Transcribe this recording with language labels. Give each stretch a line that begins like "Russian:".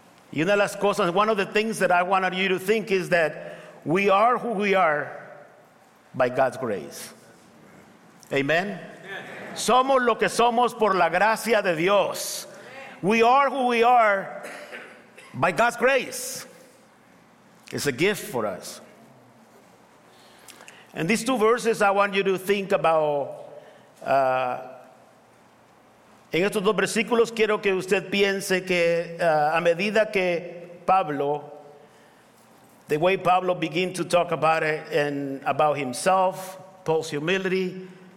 Spanish: Y una de las cosas,
English: one of the things that I wanted you to think is that we are who we are by God's grace. Amen.
Spanish: Somos lo que somos por la gracia de Dios.
English: We are who we are by God's grace. It's a gift for us. And these two verses, I want you to think about.
Spanish: En estos dos versículos, quiero que usted piense que a medida que Pablo,
English: the way Pablo begins to talk about it and about himself, Paul's humility.